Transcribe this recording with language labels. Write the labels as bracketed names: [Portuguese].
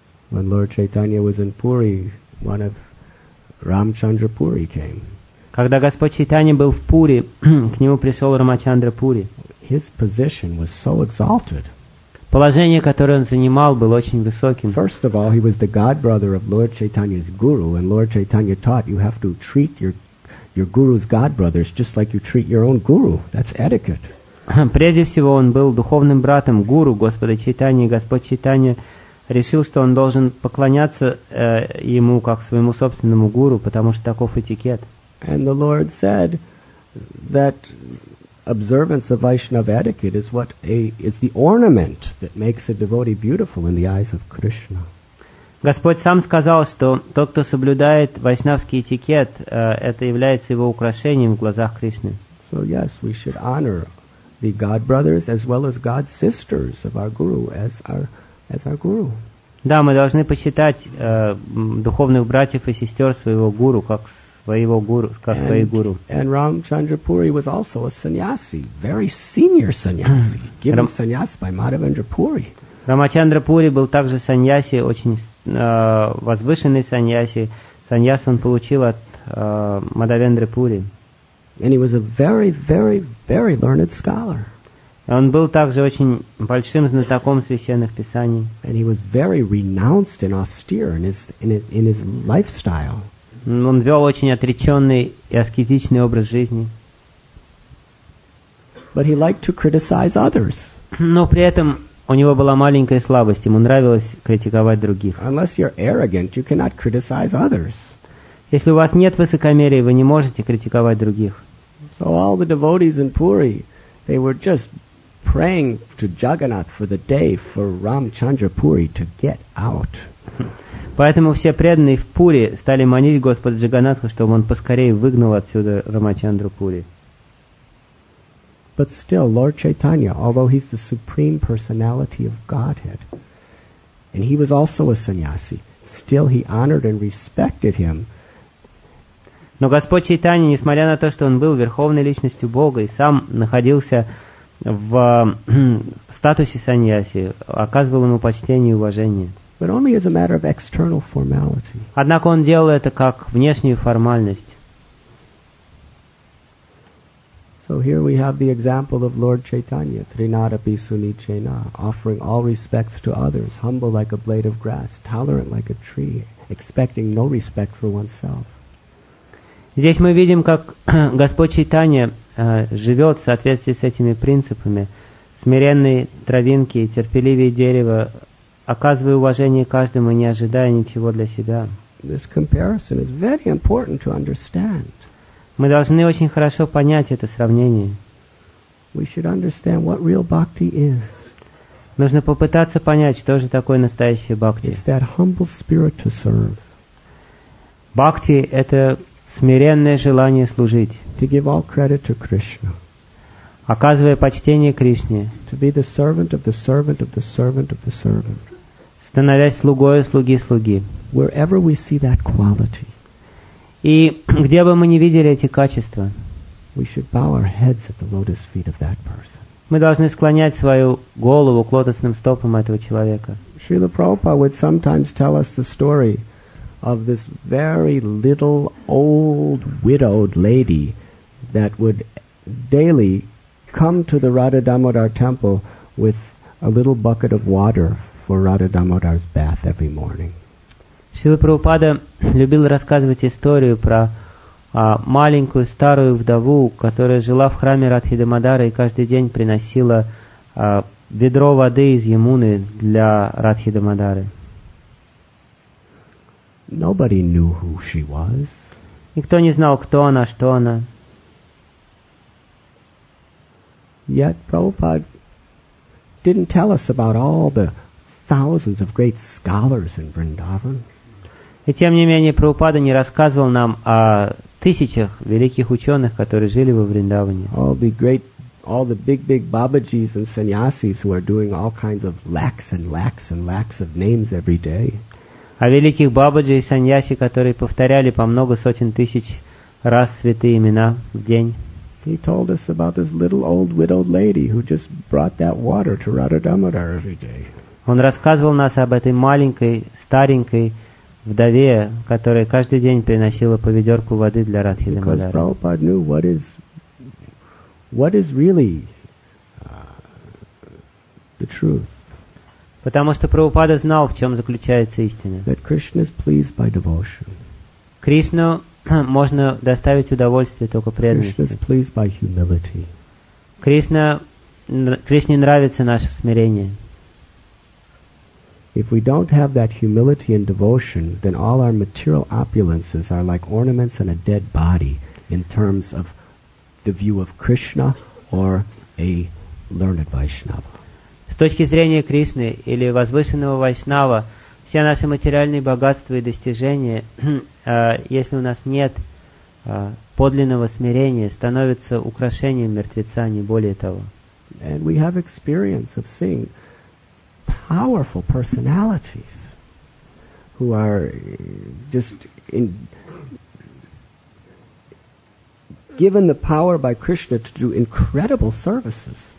[English] When Lord Chaitanya was in Puri, one of Ramchandra Puri came. [Russian] Когда Господь Чайтанья был в Пури, к нему пришел Рамачандра Пури. [English] His position was so exalted. [Russian] Положение, которое он занимал, было очень высоким. [English] First of all, he was the godbrother of Lord Chaitanya's guru, and Lord Chaitanya taught you have to treat your guru's godbrothers just like you treat your own guru. That's etiquette. [Russian] Прежде всего, он был духовным братом гуру Господа Чайтаньи, Господь Чайтанья решил, что он должен поклоняться ему как своему собственному гуру, потому что таков этикет. [English] And the Lord said that observance of Vaishnava etiquette is the ornament that makes a devotee beautiful in the eyes of Krishna. [Russian] Господь сам сказал, что тот, кто соблюдает вайшнавский этикет, это является его украшением в глазах Кришны. [English] So yes, we should honor the God brothers as well as God sisters of our guru as our guru. [Russian] Да, мы должны почитать духовных братьев и сестер своего гуру как своего гуру, как свои гуру. [English] And Ramchandra Puri was also a sannyasi, very senior sannyasi, given sannyas by Madhavendra Puri. [Russian] Рамачандра Пури был также саньяси, очень возвышенный саньяси. Саньяс он получил от Мадхавендры Пури. [English] And he was a very, very, very learned scholar. [Russian] Он был также очень большим знатоком священных писаний. [English] And he was very renounced and austere in his lifestyle. [Russian] Он вел очень отреченный и аскетичный образ жизни. [English] But he liked to criticize others. [Russian] Но при этом у него была маленькая слабость, ему нравилось критиковать других. [English] Unless you're arrogant, you cannot criticize others. [Russian] Если у вас нет высокомерия, вы не можете критиковать других. [English] So all the devotees in Puri, they were just praying to Jagannath for the day for Ramchandra Puri to get out. [Russian] Поэтому все преданные в Пури стали манить Господа Джаганатха, чтобы он поскорее выгнал отсюда Рамачандру Пури. [English] But still, Lord Chaitanya, although he's the supreme personality of Godhead, and he was also a sannyasi, still he honored and respected him. [Russian] Но Господь Чайтанья, несмотря на то, что он был верховной личностью Бога и сам находился в статусе саньяси, оказывал ему почтение и уважение. [English] But only as a matter of external formality. [Russian] Однако он делал это как внешнюю формальность. [English] So here we have the example of Lord Chaitanya, Trinadapi Sunichena, offering all respects to others, humble like a blade of grass, tolerant like a tree, expecting no respect for oneself. [Russian] Здесь мы видим, как Господь Чайтанья живет в соответствии с этими принципами. Смиренные травинки, терпеливее дерево, оказывая уважение каждому, не ожидая ничего для себя. [English] This comparison is very important to understand. [Russian] Мы должны очень хорошо понять это сравнение. [English] We should understand what real bhakti is. [Russian] Нужно попытаться понять, что же такое настоящая бхакти. [English] It's that humble spirit to serve. [Russian] Бхакти – это смиренное желание служить. [English] To give all credit to Krishna. [Russian] Оказывая почтение Кришне. [English] To be the servant of the servant of the servant of the servant. [Russian] Становясь слугой слуги слуги. [English] Wherever we see that quality. [Russian] И где бы мы ни видели эти качества. [English] We should bow our heads at the lotus feet of that person. [Russian] Мы должны склонять свою голову к лотосным стопам этого человека. [English] Srila Prabhupada would sometimes tell us the story of this very little old widowed lady that would daily come to the Radha Damodar temple with a little bucket of water for Radha Damodar's bath every morning. [Russian] Srila Prabhupada любил рассказывать историю про маленькую старую вдову, которая жила в храме Радхи Дамодара и каждый день приносила ведро воды из Ямуны для Радхи Дамодары. [English] Nobody knew who she was. [Russian] Никто не знал, кто она, что она. [English] Yet Prabhupada didn't tell us about all the thousands of great scholars in Vrindavan. [Russian] И тем не менее Прабхупада не рассказывал нам о тысячах великих ученых, которые жили во Вриндаване. [English] All the great, all the big, big babajis and sannyasis who are doing all kinds of lakhs and lakhs and lakhs of names every day. [Russian] О великих бабаджи и саньяси, которые повторяли по много сотен тысяч раз святые имена в день. [English] He told us about this little old widowed lady who just brought that water to Radha Damodar every day. [Russian] Он рассказывал нас об этой маленькой, старенькой вдове, которая каждый день приносила по ведерку воды для Радхи Дамодара. [English] Because Prabhupada knew what is really the truth. [Russian] Потому что Прабхупада знал, в чем заключается истина. [English] That Krishna is pleased by devotion. [Russian] Кришну можно доставить удовольствие только преданностью. [English] Krishna is pleased by humility. [Russian] Кришне нравится наше смирение. [English] If we don't have that humility and devotion, then all our material opulences are like ornaments on a dead body in terms of the view of Krishna or a learned Vaishnava. [Russian] С точки зрения Кришны или возвышенного Вайшнава, все наши материальные богатства и достижения, если у нас нет подлинного смирения, становятся украшением мертвеца, не более того. [English] And we have experience of seeing powerful personalities who are just given the power by Krishna to do incredible services.